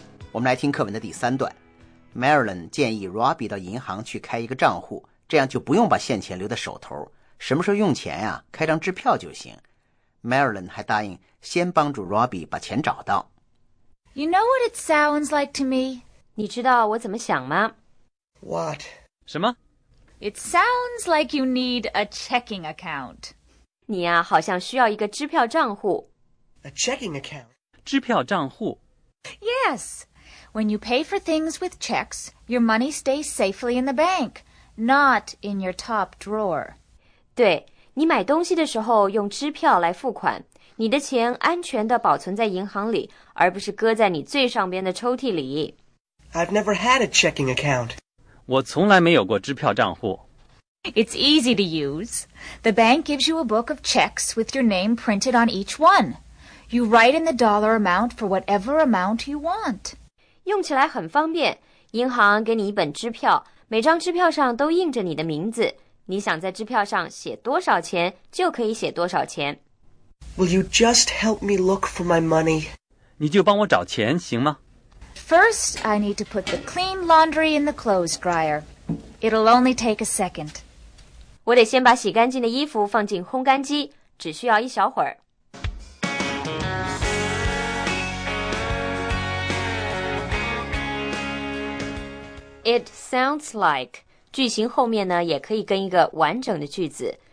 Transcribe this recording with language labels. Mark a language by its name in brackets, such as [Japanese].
[Chinese] 我们来听课文的第三段。Marilyn 建议 Robbie 到银行去开一个账户，这样就不用把现钱留在手头。什么时候用钱啊，开张支票就行。 Marilyn 还答应先帮助 Robbie 把钱找到。 [English] You know what it sounds like to me? [Chinese] 你知道我怎么想吗？ [English] What? [Chinese] 什么？ [English] It sounds like you need a checking account. [Chinese] 你啊，好像需要一个支票账户。 [English] A checking account? [Chinese] 支票账户。 [English] Yes. When you pay for things with checks, your money stays safely in the bank, not in your top drawer. [Chinese] 对，你买东西的时候用支票来付款，你的钱安全地保存在银行里，而不是搁在你最上边的抽屉里。 [English] I've never had a checking account. [Chinese] 我从来没有过支票账户。 [English] It's easy to use. The bank gives you a book of checks with your name printed on each one. You write in the dollar amount for whatever amount you want. [Chinese] 用起来很方便，银行给你一本支票，每张支票上都印着你的名字。你想在支票上写多少钱就可以写多少钱。 [English] Will you just help me look for my money? [Chinese] 你就帮我找钱行吗？ [English] First, I need to put the clean laundry in the clothes dryer. It'll only take a second. [Chinese] 我得先把洗干净的衣服放进烘干机，只需要一小会儿。 [English] It sounds like... [Chinese] 句型后面呢也可以跟一个完整的句子。